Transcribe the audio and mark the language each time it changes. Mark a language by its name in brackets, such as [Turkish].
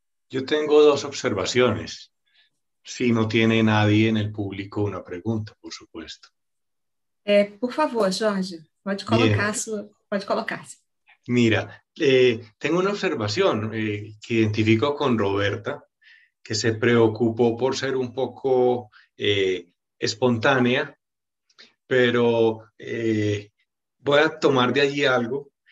[Spanish] Yo tengo dos observaciones. Si no tiene nadie en el público una pregunta, por supuesto. [Portuguese] Por favor, Jorge, pode colocar. [Spanish] Mira, tengo una observación que identifico con Roberta, que se preocupó por ser un poco espontánea, pero voy a tomar de allí algo.